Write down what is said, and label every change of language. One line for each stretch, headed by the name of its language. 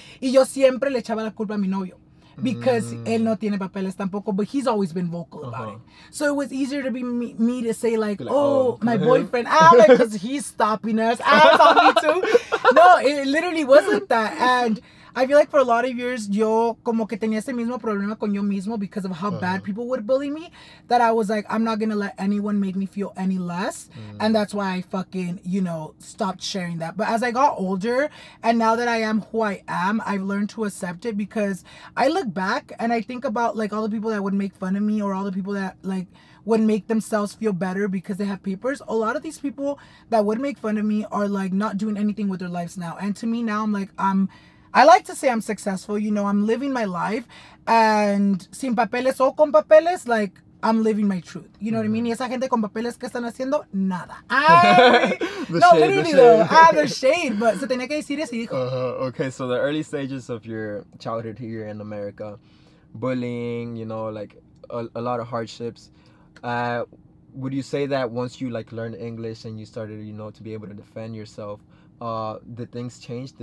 Spanish: Y yo siempre le echaba la culpa a mi novio.
English: Because
Spanish: él no tiene papeles tampoco,
English: but he's always been vocal about it. So it was easier to be me to say, like, oh, my boyfriend, Alan, because he's stopping us. Alan's on me too. No, it literally wasn't that. And I feel like for a lot of years,
Spanish: yo como que tenía ese mismo problema con yo mismo
English: because of how bad people would bully me, that I was like, I'm not going to let anyone make me feel any less. Mm. And that's why I fucking, you know, stopped sharing that. But as I got older, and now that I am who I am, I've learned to accept it, because I look back and I think about, like, all the people that would make fun of me, or all the people that, like, would make themselves feel better because they have papers. A lot of these people that would make fun of me are, like, not doing anything with their lives now. And to me now, I'm like, I like to say I'm successful, you know, I'm living my life, and
Spanish: sin papeles o con papeles,
English: like, I'm living my truth. You know what I mean?
Spanish: Y esa gente con papeles que están haciendo, nada.
English: The shade.
Spanish: But se tenía que decir eso y dijo.
English: Okay, so the early stages of your childhood here in America, bullying, you know, like, a lot of hardships. Would you say that once you, like, learned English and you started, you know, to be able to defend yourself, did things change?